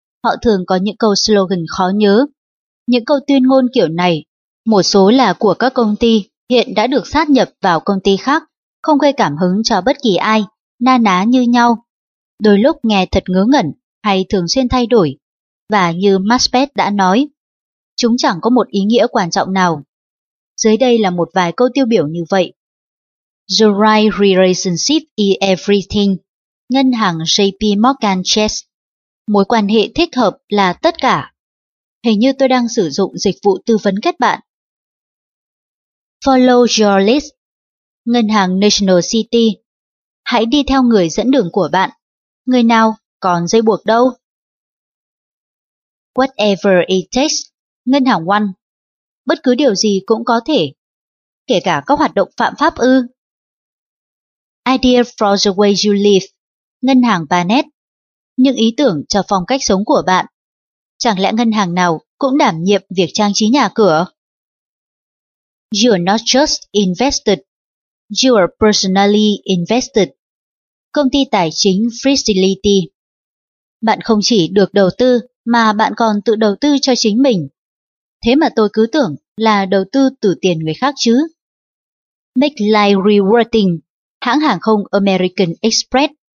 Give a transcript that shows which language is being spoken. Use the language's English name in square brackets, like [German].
[Vietnamese] Họ thường có những câu slogan khó nhớ. Những câu tuyên ngôn kiểu này, một số là của các công ty hiện đã được sát nhập vào công ty khác, không gây cảm hứng cho bất kỳ ai, na ná như nhau. Đôi lúc nghe thật ngớ ngẩn hay thường xuyên thay đổi. Và như Maspet đã nói, chúng chẳng có một ý nghĩa quan trọng nào. Dưới đây là một vài câu tiêu biểu như vậy. [English] The right relationship is everything. [Vietnamese] Ngân hàng JP Morgan Chase. Mối quan hệ thích hợp là tất cả. Hình như tôi đang sử dụng dịch vụ tư vấn kết bạn. [English] Follow your list. [Vietnamese] ngân hàng National City. Hãy đi theo người dẫn đường của bạn. Người nào còn dây buộc đâu? [English] Whatever it takes, [Vietnamese] ngân hàng One. Bất cứ điều gì cũng có thể, kể cả các hoạt động phạm pháp ư. [English] Idea for the way you live, [Vietnamese] ngân hàng Barnett. Những ý tưởng cho phong cách sống của bạn. Chẳng lẽ ngân hàng nào cũng đảm nhiệm việc trang trí nhà cửa? You're not just invested, you're personally invested. Công ty tài chính Fidelity. Bạn không chỉ được đầu tư mà bạn còn tự đầu tư cho chính mình. Thế mà tôi cứ tưởng là đầu tư từ tiền người khác chứ. [English] Make life rewarding, [Vietnamese] hãng hàng không American Express.